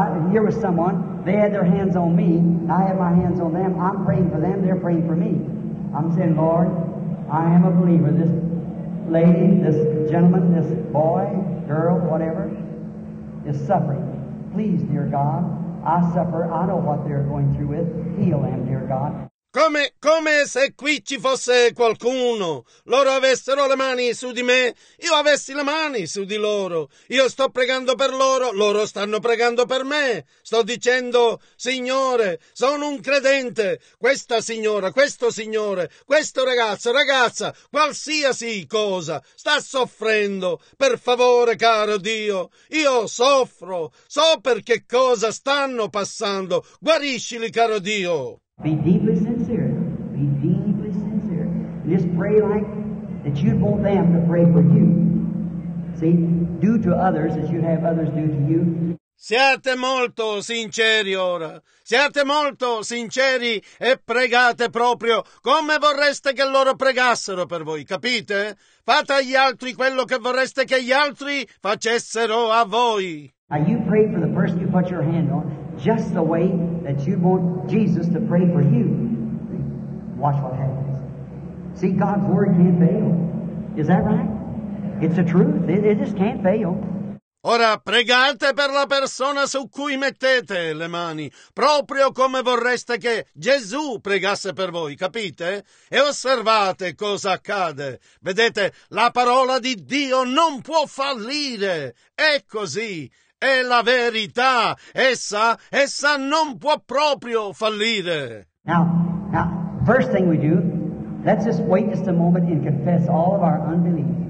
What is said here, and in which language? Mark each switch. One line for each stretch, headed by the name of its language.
English: Here was someone, they had their hands on me, I had my hands on them, I'm praying for them, they're praying for me. I'm saying, Lord, I am a believer, this lady, this gentleman, this boy, girl, whatever, is suffering. Please, dear God, I suffer. I know what they're going through with. Heal them, dear God.
Italian: Come se qui ci fosse qualcuno. Loro avessero le mani su di me, io avessi le mani su di loro. Io sto pregando per loro, loro stanno pregando per me. Sto dicendo, Signore, sono un credente. Questa signora, questo signore, questo ragazzo, ragazza, qualsiasi cosa, sta soffrendo. Per favore, caro Dio, io soffro. So per che cosa stanno passando. Guariscili, caro Dio.
English: Be deeply sincere. Be deeply sincere. Just pray like that you'd want them to pray for you. See, do to others as you'd have others do to you.
Italian: Siate molto sinceri ora. Siate molto sinceri e pregate proprio come vorreste che loro pregassero per voi, capite? Fate agli altri quello che vorreste che gli altri facessero a voi.
English: Now you pray for the person you put your hand on. Just the way that you want Jesus to pray for you. Watch what happens. See, God's word can't fail. Is that right? It's the truth. It just can't fail.
Italian: Ora pregate per la persona su cui mettete le mani, proprio come vorreste che Gesù pregasse per voi, capite? E osservate cosa accade. Vedete, la parola di Dio non può fallire. È così. È la verità, essa non può proprio fallire.
English: Now, first thing we do, let's just wait just a moment and confess all of our unbelief.